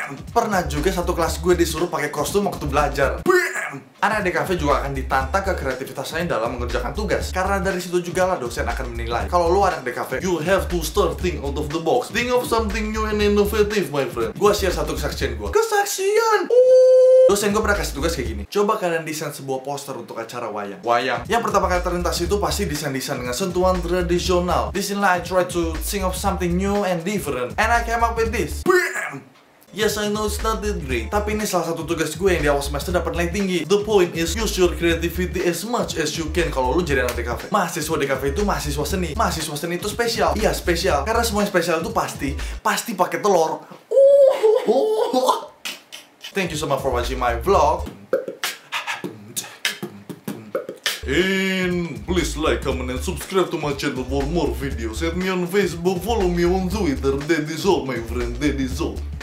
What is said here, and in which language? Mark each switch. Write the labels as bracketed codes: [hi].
[id] Pernah juga satu kelas gue disuruh pakai kostum waktu belajar. Anak DKV juga akan ditantang ke kreativitasnya dalam mengerjakan tugas. Karena dari situ juga lah dosen akan menilai. Kalau lu anak DKV, [en] you have to start think out of the box. Think of something new and innovative, my friend. [id] Gua share satu kesaksian gua. Kesaksian! Dosen gua pernah kasih tugas kayak gini. Coba kalian desain sebuah poster untuk acara wayang. Wayang. Yang pertama kali terlintas itu pasti desain-desain dengan sentuhan tradisional. Disinilah [en] I try to think of something new and different. And I came up with this. Bam! Yes, I know it's not that great. [id] Tapi ini salah satu tugas gue yang di awal semester dapat nilai tinggi. [en] The point is, use your creativity as much as you can. [id] Kalau lu jadi anak DKV, mahasiswa DKV itu mahasiswa seni. Mahasiswa seni itu spesial. Iya, spesial. Karena semua yang spesial itu pasti, pasti pakai telur. [en] Thank you so much for watching my vlog. And please like, comment, and subscribe to my channel for more videos. Add me on Facebook, follow me on Twitter. That is all, my friend, that is all.